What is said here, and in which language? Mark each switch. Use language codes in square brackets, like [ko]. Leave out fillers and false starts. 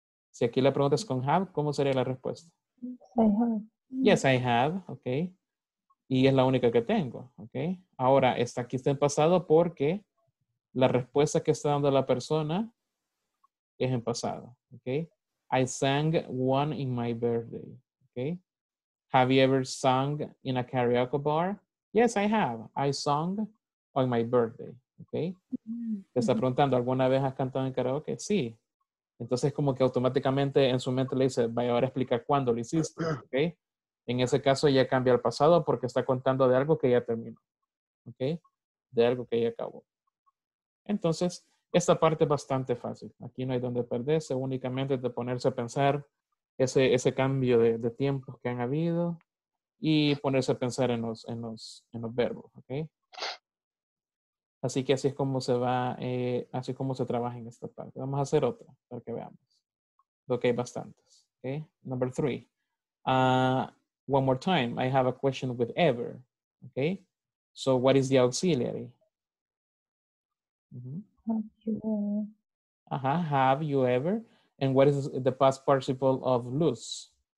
[es] Si aquí la pregunta es con have, ¿cómo sería la respuesta? [en] Yes, I have. Yes, I have, [es] ok. Y es la única que tengo, ok. Ahora, está aquí está en pasado porque la respuesta que está dando la persona es en pasado, ok. [en] I sang one in my birthday, ok. Have you ever sung in a karaoke bar? Yes, I have. I sung on my birthday. Okay. [es] Te está preguntando, ¿alguna vez has cantado en karaoke? Sí. Entonces, como que automáticamente en su mente le dice, vaya, ahora explica cuándo lo hiciste. Okay. En ese caso, ya cambia al pasado porque está contando de algo que ya terminó. Okay. De algo que ya acabó. Entonces, esta parte es bastante fácil. Aquí no hay donde perderse. Únicamente de ponerse a pensar ese cambio de tiempos que han habido y ponerse a pensar en los verbos, ¿ok? Así que así es como se va, así como se trabaja en esta parte. Vamos a hacer otra para que veamos. Lo que hay bastantes, ¿ok? [en] Number three. One more time, I have a question with ever, ¿ok? So what is the auxiliary? Have you ever? And what is the past participle of lose?